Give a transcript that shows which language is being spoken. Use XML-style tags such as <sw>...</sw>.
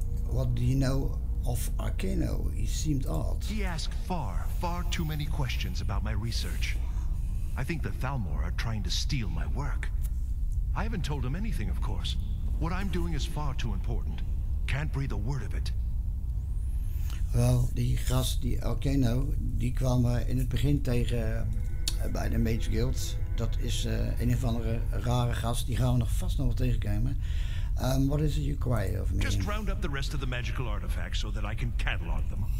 <en>What do you know of Arcano? He seemed odd. He asked far, far too many questions about my research. I think the Thalmor are trying to steal my work. I haven't told him anything, of course. What I'm doing is far too important. Can't breathe a word of it.</en> <nl>Wel, die gast, die Arcano, die kwam in het begin tegen bij de Mage Guild. Dat is een of andere rare gast. Die gaan we nog vast nog wel tegenkomen.</nl> <en>What is it you require of me? Just round up the rest of the magical artifacts so that I can catalog them.</en>